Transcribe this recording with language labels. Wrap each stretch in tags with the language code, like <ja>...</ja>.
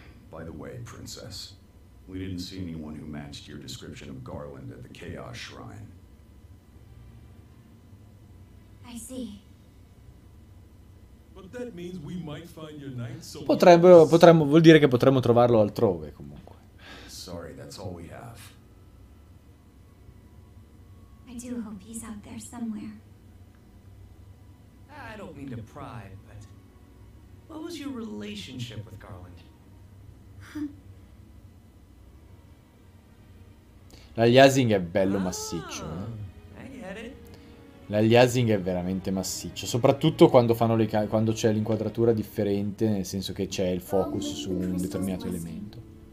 <en>By the way, princess, we didn't see anyone who matched your description of Garland at the Chaos Shrine. I see. But that means we might find your knight.</en> <it>Potremmo vuol dire che potremmo trovarlo altrove, comunque.</it> <en>Sorry, that's all we have. I do hope he's out there somewhere. I don't mean to pry, but what was your relationship with Garland?</en> <it>L'aliasing è bello massiccio. L'aliasing è veramente massiccio, soprattutto quando fanno le quando c'è l'inquadratura differente, nel senso che c'è il focus su un determinato elemento.</it>